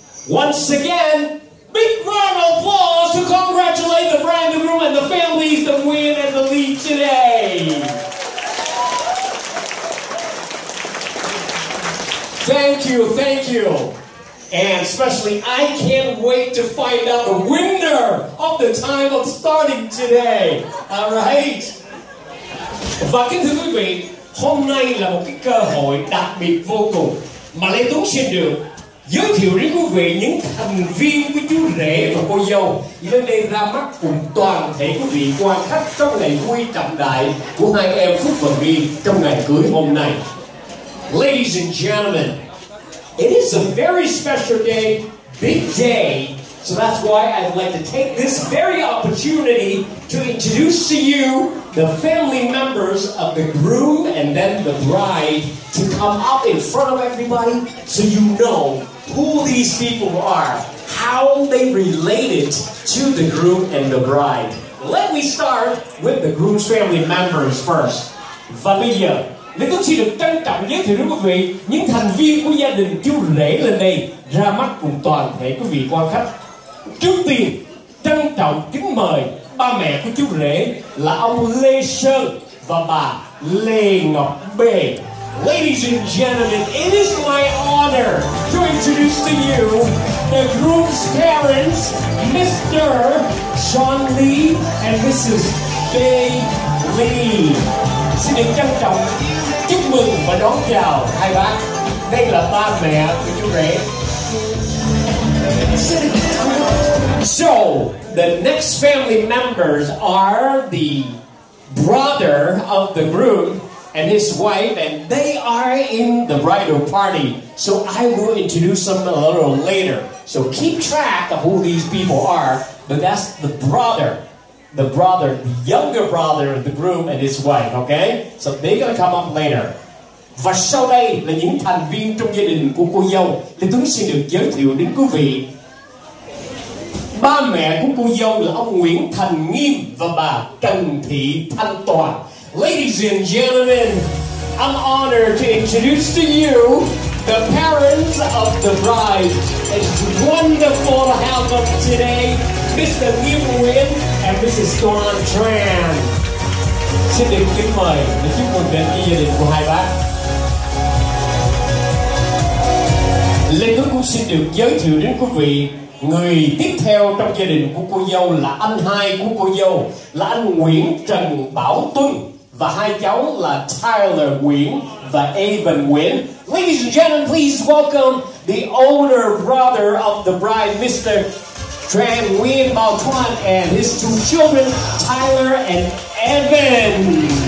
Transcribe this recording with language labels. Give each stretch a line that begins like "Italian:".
English: Once again, big round of applause to congratulate the bride and groom and the families that win and the lead today. Thank you. And especially, I can't wait to find out the winner of the time of starting today. All right.
Vietnamese: Và kính thưa quý vị, hôm nay là một cái cơ hội đặc biệt vô cùng mà Lê Tuấn xin được giới thiệu đến quý vị những thành viên của chú rể và cô dâu lên đây ra mắt cùng toàn thể quý vị quan khách trong ngày vui trọng đại của hai em Phúc và Nghi trong ngày cưới hôm nay.
English: Ladies and gentlemen, it is a very special day, big day, so that's why I'd like to take this very opportunity to introduce to you the family members of the groom and then the bride to come up in front of everybody so you know who these people are, how they related to the groom and the bride. Let me start with the groom's family members first. Familia.
Vietnamese: Lê Tuấn xin được trân trọng giới thiệu đến quý vị những thành viên của gia đình chú rể lên đây ra mắt cùng toàn thể quý vị quan khách. Trước tiên, trân trọng kính mời ba mẹ của chú rể là ông Lê Sơn và bà Lê Ngọc Bê.
English: Ladies and gentlemen, it is my honor to introduce to you the groom's parents, Mr. Sean Lee and Mrs. Bay Lee.
Vietnamese: Xin được trân trọng chúc mừng và đón chào hai bác. Đây là ba mẹ của chú rể.
English: So the next family members are the brother of the groom and his wife, and they are in the bridal party. So I will introduce them a little later. So keep track of who these people are, but that's the brother. The younger brother of the groom and his wife, okay? So they're gonna come up later.
Vietnamese: Và sau đây là những thành viên trong gia đình của cô dâu. Lê Tuấn xin được giới thiệu đến quý vị. Ba mẹ của cô dâu là ông Nguyễn Thành Nghiêm và bà Trần Thị Thanh Toàn.
English: Ladies and gentlemen, I'm honored to introduce to you the parents of the bride. It's wonderful to have them today, Mr. Nghiêm Nguyễn and Mrs. Toàn Tran.
Vietnamese: Xin được kính mời và chúc mừng đến gia đình của hai bác. Lê Tuấn cũng xin được giới thiệu đến quý vị người tiếp theo trong gia đình của cô dâu là anh hai của cô dâu, là anh Nguyễn Trần Bảo Tuân và hai cháu là Tyler Nguyễn và Evan Nguyễn.
English: Ladies and gentlemen, please welcome the older brother of the bride, Mr. Tran Nguyen Bảo Tuân, and his two children, Tyler and Evan.